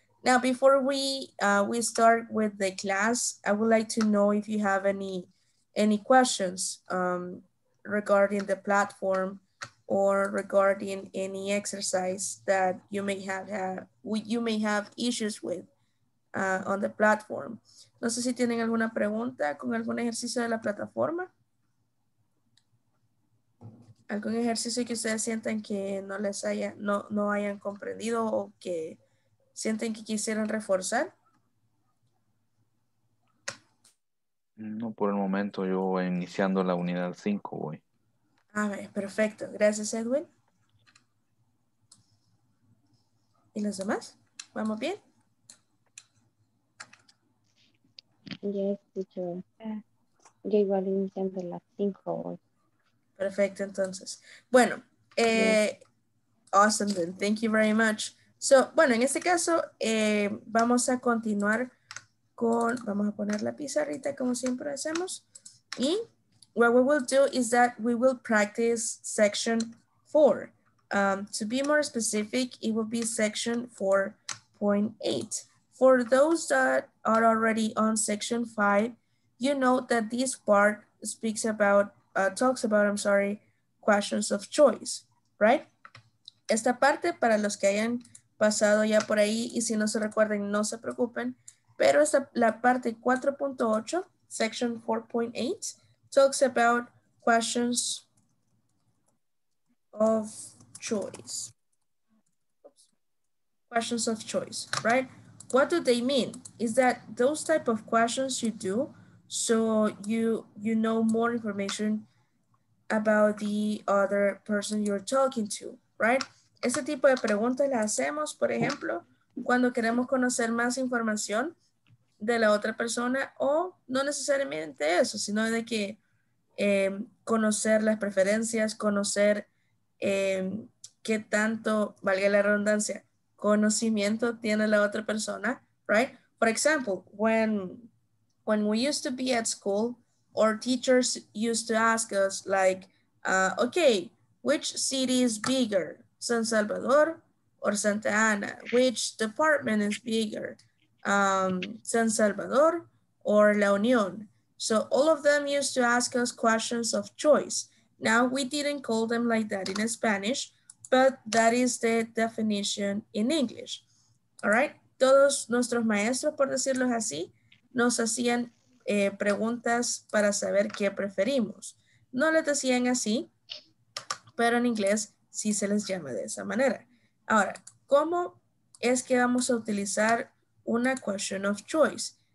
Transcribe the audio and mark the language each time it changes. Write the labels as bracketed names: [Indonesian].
[English] Now, before we start with the class, I would like to know if you have any questions regarding the platform or regarding any exercise that you may have issues with on the platform. [Spanish] No sé si tienen alguna pregunta con algún ejercicio de la plataforma. ¿Algún ejercicio que ustedes sientan que no les haya, no hayan comprendido o que sienten que quisieran reforzar? No, por el momento yo voy iniciando la unidad 5 voy. A ver, perfecto. Gracias, Edwin. ¿Y los demás? ¿Vamos bien? Ya escucho. Yo igual iniciando las 5 hoy. Perfecto, entonces. Bueno, [English] awesome then. Thank you very much. [Spanish] So, bueno, en este caso, vamos a continuar con, vamos a poner la pizarrita como siempre hacemos. [English] Y what we will do is that we will practice section 4. To be more specific, it will be section 4.8. For those that are already on section 5, you know that this part speaks about talks about questions of choice, right? [Spanish] Esta parte, para los que hayan pasado ya por ahí, y si no se recuerden, no se preocupen, pero esta, la parte 4.8, [English] section 4.8, talks about questions of choice. Oops. Questions of choice, right? What do they mean? Is that those type of questions you do so you know more information about the other person you're talking to, right? [Spanish] Ese tipo de preguntas las hacemos, por ejemplo, cuando queremos conocer más información de la otra persona o no necesariamente eso, sino de que conocer las preferencias, conocer qué tanto, valga la redundancia, conocimiento tiene la otra persona, right? [English] For example, when we used to be at school, or teachers used to ask us like, okay, which city is bigger, San Salvador or Santa Ana? Which department is bigger, San Salvador or La Union? So all of them used to ask us questions of choice. Now we didn't call them like that in Spanish, but that is the definition in English. [Spanish] All right, todos nuestros maestros, por decirlo así, nos hacían preguntas para saber qué preferimos. No les decían así, pero en inglés sí se les llama de esa manera. Ahora, ¿cómo es que vamos a utilizar una question of choice?